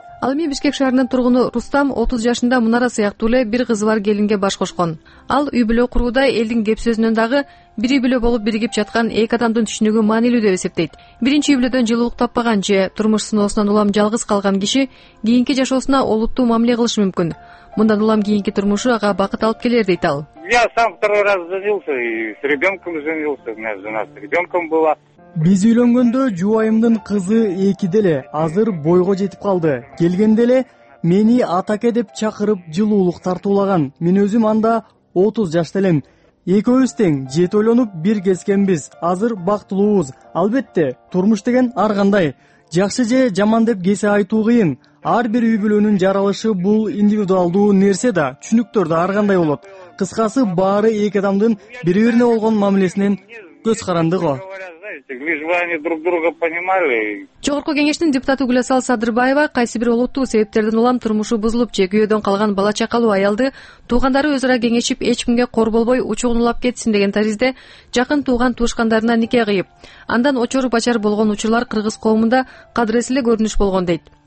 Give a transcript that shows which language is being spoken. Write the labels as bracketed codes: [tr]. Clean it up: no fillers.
[ky] Ал эми Бишкек шаарынын тургуну Рустам 30 жашында Мунара сыяктуу эле бир кызы бар келинге баш кошкон. Ал үй бүлө куруудай элдин кеп сөзүнөн дагы бир үй бүлө болуп биригип жаткан эки адамдын түшүнүгү маанилүү деп эсептейт. Биринчи үй бүлөдөн жылуулук таппаган же турмуш сыноосунан улам жалгыз калган киши кийинки жашоосуна олуттуу мамиле кылышы мүмкүн. Мындан улам кийинки турмушу ага бакыт алып келер дейт ал. [ru] Я сам второй раз женился и с ребенком женился. У меня жена с ребенком была. [ky] Биз үйлөнгөндө жубайымдын кызы экиде эле, азыр бойго жетип калды. Келгенде эле мени атаке деп чакырып жылуулук тартуулаган. Мен өзүм анда 30 жашта элем. Экөөбүз тең жети ойлонуп бир кескенбиз. Азыр бактылуубуз. Албетте, турмуш деген ар кандай. Жакшы же жаман деп кесе айтуу кыйын. Ар бир үй бүлөнүн жаралышы бул индивидуалдуу нерсе да, түшүнүктөр да ар кандай болот. Кыскасы, баары эки адамдын бири-бирине болгон мамилесинен көз карандыго. [ru] знаете, лишь бы они друг друга понимали. [ky] Жогорку кеңештин депутаты Гүлөсал Садырбаева кайсы бир олуттуу себептерден улам турмушу бузулуп, же күйөөдөн калган бала чакалуу аялды туугандары өз ара кеңешип эч кимге кор болбой учугун улап кетсин деген таризде жакын тууган туушкандарына нике кыйып, андан очоруп ачар болгон учурлар кыргыз коомунда кадыресиле көрүнүш болгон дейт.